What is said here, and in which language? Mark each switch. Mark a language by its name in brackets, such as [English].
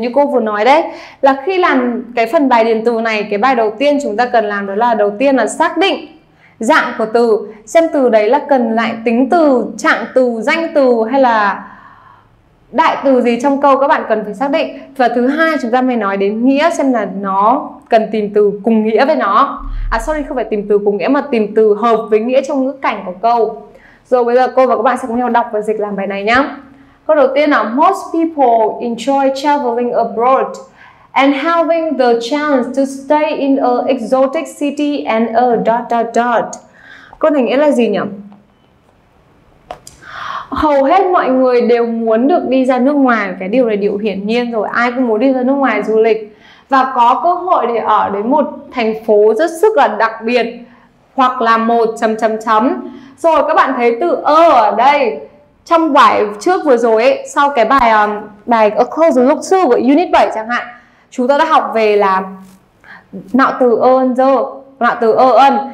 [Vietnamese] Như cô vừa nói đấy, là khi làm cái phần bài điền từ này, cái bài đầu tiên chúng ta cần làm đó là đầu tiên là xác định dạng của từ, xem từ đấy là cần lại tính từ, trạng từ, danh từ hay là đại từ gì trong câu, các bạn cần phải xác định. Và thứ hai chúng ta mới nói đến nghĩa, xem là nó cần tìm từ cùng nghĩa với nó. À sorry, không phải tìm từ cùng nghĩa mà tìm từ hợp với nghĩa trong ngữ cảnh của câu. Rồi bây giờ cô và các bạn sẽ cùng nhau đọc và dịch làm bài này nhé. [English] Câu đầu tiên là most people enjoy traveling abroad and having the chance to stay in a exotic city and a dot dot dot. [Vietnamese] Câu này nghĩa là gì nhỉ? Hầu hết mọi người đều muốn được đi ra nước ngoài, cái điều này điều hiển nhiên rồi, ai cũng muốn đi ra nước ngoài du lịch và có cơ hội để ở đến một thành phố rất sức là đặc biệt hoặc là một chấm chấm chấm. Rồi các bạn thấy từ ở đây trong bài trước vừa rồi ấy, sau cái bài bài A Close Look To của Unit 7 chẳng hạn, chúng ta đã học về là nạo từ ơn dơ, nạo từ ơ ân.